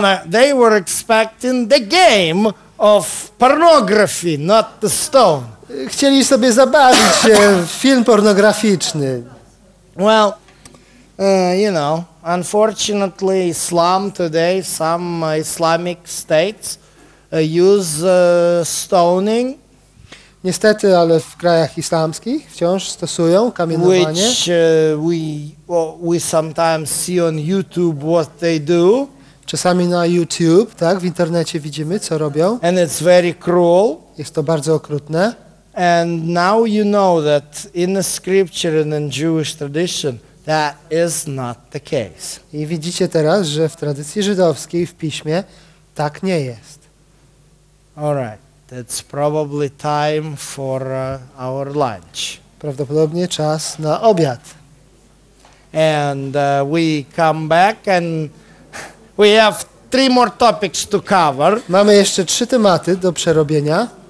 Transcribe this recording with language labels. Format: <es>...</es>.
<en>They were expecting the game of pornography, not the stone.</en> <pl>Chcieli sobie zabawić się w film pornograficzny.</pl> <en>Well, you know, unfortunately, Islam today, some Islamic states use stoning.</en> <pl>Niestety, ale w krajach islamskich wciąż stosują kamienowanie.</pl> <en>Which we sometimes see on YouTube what they do.</en> <pl>Czasami na YouTube, tak, w internecie widzimy, co robią.</pl> <en>And it's very cruel.</en> <pl>Jest to bardzo okrutne.</pl> <en>And now you know that in the scripture and in Jewish tradition that is not the case.</en> <pl>I widzicie teraz, że w tradycji żydowskiej, w piśmie, tak nie jest.</pl> <en>All right. It's probably time for our lunch.</en> <pl>Prawdopodobnie czas na obiad.</pl> <en>And we come back and we have three more topics to cover.</en> <pl>Mamy jeszcze trzy tematy do przerobienia.</pl>